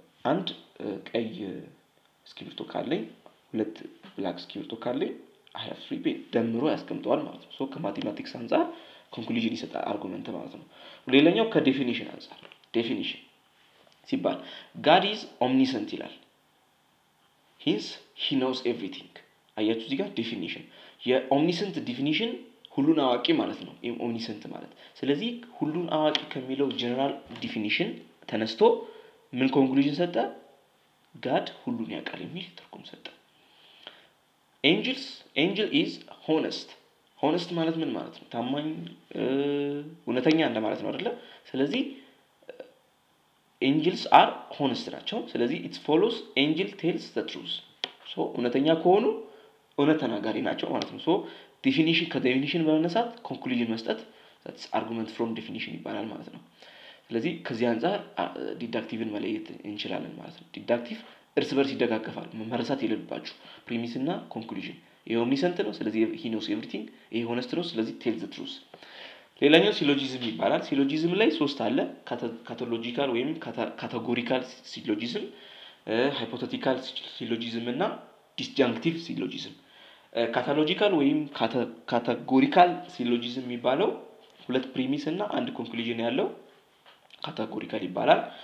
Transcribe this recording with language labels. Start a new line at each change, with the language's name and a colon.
Amharic: አንድ ቀይ እስክሪብቶ ካለኝ ሁለት ብላክ እስክሪብቶ ካለኝ
English: I have three pen
Amharic: ደምሮ ያስቀምጣል ማለት ነው። So ከማቴማቲክስ አንጻር conclusion ይሰጣል argument ማለት ነው። ሌላኛው ከdefinition አንጻር definition ሲባል
English: God is omniscient
Amharic: ይላል.
English: Hence, he knows everything.
Amharic: አያችሁ እዚህ ጋር definition. የomniscient definition ሁሉን አዋቂ ማለት ነው. omniscient ማለት. ስለዚህ ሁሉን አዋቂ ከሚለው general definition ተነስቶ ምን conclusion ሰጠ? God ሁሉን ያውቃል የሚል ትርጉም ሰጠ.
English: Angel is honest.
Amharic: Honest ማለት ምን ማለት ነው? ታማኝ እውነተኛ እንደ ማለት ነው አይደለ?
English: ስለዚህ angels are honest ናቸው. ስለዚህ it follows angel tells the truth.
Amharic: So እውነተኛ ከሆኑ እውነተናጋሪ ናቸው ማለት ነው. So definition ከdefinition በመነሳት conclusion መስጠት
English: that's argument from definition
Amharic: ይባላል ማለት ነው. ስለዚህ ከዚህ አንፃር deductive መለየት እንችላለን ማለት ነው. deductive እርስ በርስ ይደጋገፋል መመረሳት የለባችሁ premise እና conclusion. ይሄ omniscient ነው ስለዚህ
English: he knows everything.
Amharic: ይሄ honest ነው ስለዚህ
English: tells the truth.
Amharic: ሌላኛው ሲሎጂዝም ይባላል. ሲሎጂዝም ላይ ሶስት አለ. ካታሎጂካል ወይም ካታጎሪካል ሲሎጂዝም, ሃይፖቴቲካል ሲሎጂዝም እና ዲስጃንክቲቭ ሲሎጂዝም. ካታሎጂካል ወይም ካታጎሪካል ሲሎጂዝም የሚባለው ሁለት ፕሪሚስ እና አንድ ኮንክሉዥን ያለው ካታጎሪካል ይባላል.